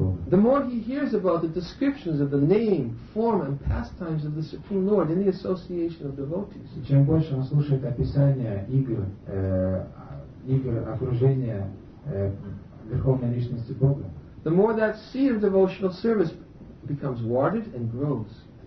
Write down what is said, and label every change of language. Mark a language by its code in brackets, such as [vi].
[en] The more he hears about the descriptions of the name, form, and pastimes of the Supreme Lord in the association of devotees, [ru] чем больше он слушает описания игр, игр окружения верховной личности Бога, [en] the more that seed of devotional service becomes watered and grows.